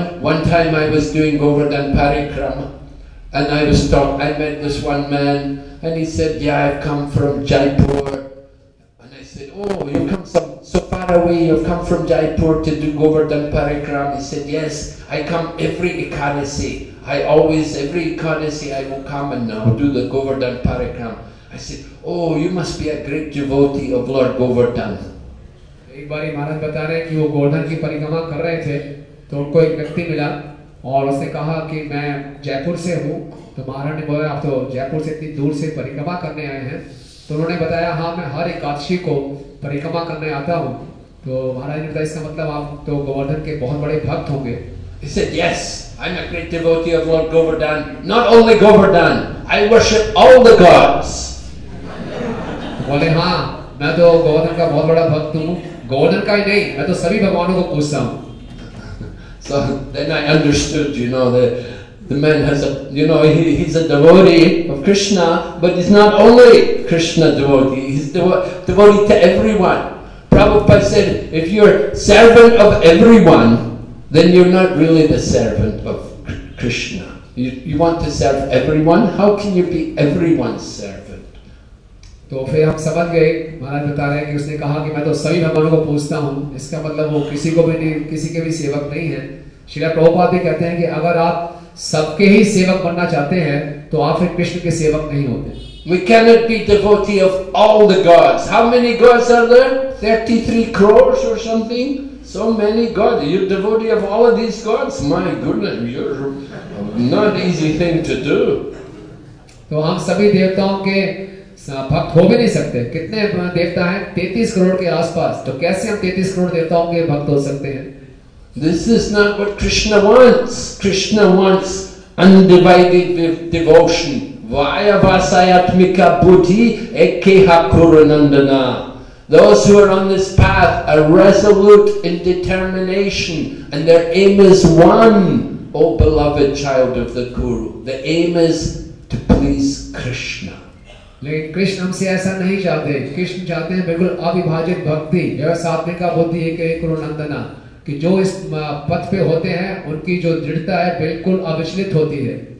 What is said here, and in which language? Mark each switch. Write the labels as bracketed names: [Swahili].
[English] One time I was doing Govardhan Parikrama and I was talking I met this one man and he said yeah I've come from Jaipur and I said oh you come so far away you've come from Jaipur to do Govardhan Parikrama he said yes I come every Ekadasi I always, every Ekadasi, I will come and now do the Govardhan Parikram. I said, oh, you must be a great devotee of Lord Govardhan. [Hindi] एक बारी महाराज बता रहे हैं कि वो गोवर्धन की परिक्रमा कर रहे थे तो उनको एक व्यक्ति मिला और उसने कहा कि मैं जयपुर से हूँ तो महाराज ने बोला आप तो जयपुर से इतनी दूर से परिक्रमा करने आए हैं तो उन्होंने बताया हाँ मैं हर एकादशी को परिक्रमा करने आता हूँ तो महाराज ने बताया इसका मतलब आप तो गोवर्धन के बहुत बड़े भक्त होंगे [English] He said, yes, I'm a great devotee of Lord Govardhan. Not only Govardhan, I worship all the gods. [Hindi] बोले हाँ, मैं तो गोवर्धन का बहुत बड़ा भक्त हूँ. गोवर्धन का ही नहीं, मैं तो सभी भगवानों को पूजता हूँ. [English] So then I understood, you know, the man has a, you know, he's a devotee of Krishna, but he's not only Krishna devotee, he's devotee to everyone. Prabhupada said, if you're servant of everyone, then you're not really the servant of Krishna. You want to serve everyone? How can you be everyone's servant? [Hindi] तो फिर हम समझ गए महाराज बता रहे हैं कि उसने कहा कि मैं तो सभी भगवानों को पूजता हूँ इसका मतलब वो किसी को भी नहीं किसी के भी सेवक नहीं है श्रीला प्रभुपाद भी कहते हैं कि अगर आप सबके ही सेवक बनना चाहते हैं तो आप फिर कृष्ण के सेवक नहीं होते [English] We cannot be devotee of all the gods. How many gods are there? 33 crores or something? So many gods. You're devotee of all of these gods? My goodness, you're not easy thing to do. [Hindi] तो हम सभी देवताओं के भक्त हो भी नहीं सकते कितने देवता हैं 33 करोड़ के आसपास तो कैसे हम 33 करोड़ देवताओं के भक्त हो सकते हैं [English] This is not what Krishna wants. Krishna wants undivided devotion. [Sanskrit] Vaya vasayatmika buddhi ekeha kurunandana. [English] Those who are on this path are resolute in determination and their aim is one, O beloved child of the Guru. The aim is to please Krishna. [Hindi] लेकिन कृष्ण हमसे ऐसा नहीं चाहते कृष्ण चाहते हैं बिल्कुल अविभाजित भक्ति [Sanskrit] व्यवसात्मिका बुद्धि एक करुणंदना [Hindi] कि जो इस पथ पे होते हैं उनकी जो दृढ़ता है बिल्कुल अविचलित होती है